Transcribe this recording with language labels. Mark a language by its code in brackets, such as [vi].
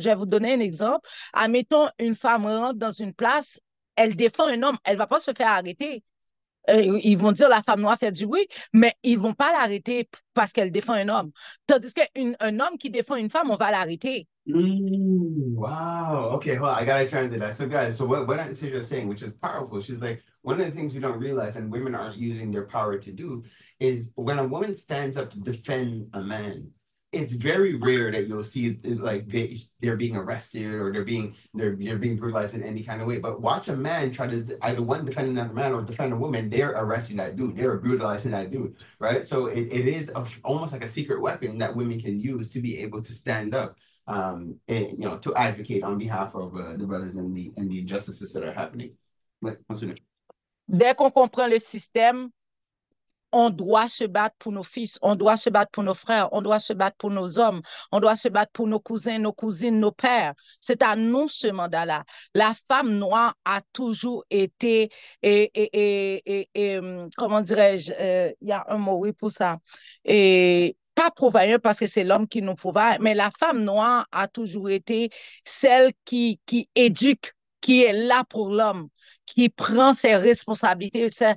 [fr] Je vais vous donner un exemple. Admettons, une femme rentre dans une place, elle défend un homme, elle ne va pas se faire arrêter. Ils vont dire la femme noire fait du bruit, mais ils ne vont pas l'arrêter parce qu'elle défend un homme. Tandis qu'un homme qui défend une femme, on va l'arrêter. [en] Wow. Okay. Well, I gotta translate that. So, guys, so what Cedra is saying, which is powerful, she's like, one of the things we don't realize, and women aren't using their power to do, is when a woman stands up to defend a man, it's very rare that you'll see like they're being arrested or they're being brutalized in any kind of way. But watch a man try to either one defend another man or defend a woman. They're arresting that dude. They're brutalizing that dude. Right. So it is almost like a secret weapon that women can use to be able to stand up. And, you know, to advocate on behalf of the brothers and the injustices that are happening. [fr] Dès qu'on comprend le système, on doit se battre pour nos fils, on doit se battre pour nos frères, on doit se battre pour nos hommes, on doit se battre pour nos cousins, nos cousines, nos pères. C'est à nous ce mandat-là. La femme noire a toujours été, comment dirais-je, y a un mot, oui, pour ça, pas pourvoyeur parce que c'est l'homme qui nous pourvoit, mais la femme noire a toujours été celle qui éduque, qui est là pour l'homme, qui prend ses responsabilités.